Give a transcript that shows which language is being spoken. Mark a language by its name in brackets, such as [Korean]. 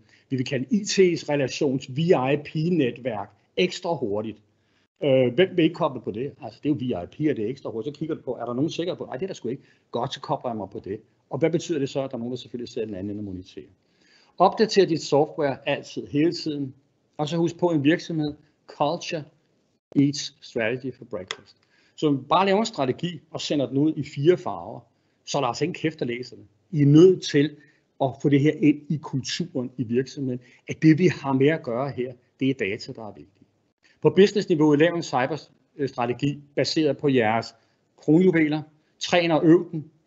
[Danish] Vi vil kalde IT's relations VIP-netværk ekstra hurtigt. Hvem vil ikke koble på det? Altså, det er jo VIP, og det er ekstra hurtigt. Så kigger du på, er der nogen sikker på det? Nej, det er der sgu ikke. Godt, så kobler jeg mig på det. Og hvad betyder det så, at der er nogen, der selvfølgelig sidder den anden ende og monitorer? Opdater dit software altid, hele tiden. Og så husk på en virksomhed. [English] Culture eats strategy for breakfast. [Danish] Så bare lave en strategi og sender den ud i fire farver. Så der er altså ingen kæft, der læser det. I er nødt til at få det her ind i kulturen i virksomheden. At det, vi har med at gøre her, det er data, der er vigtigt. På business-niveau, lav en cyberstrategi baseret på jeres kronjuveler. Træn og øv den.